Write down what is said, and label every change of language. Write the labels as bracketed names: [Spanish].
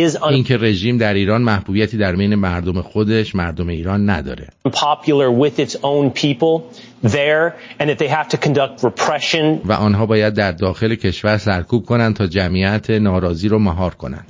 [Persian] این که رژیم در ایران محبوبیتی در بین مردم خودش، مردم ایران نداره. [English] Popular with its own people there and that they have to conduct repression. [Persian] و آنها باید در داخل کشور سرکوب کنند تا جمعیت ناراضی رو مهار کنند.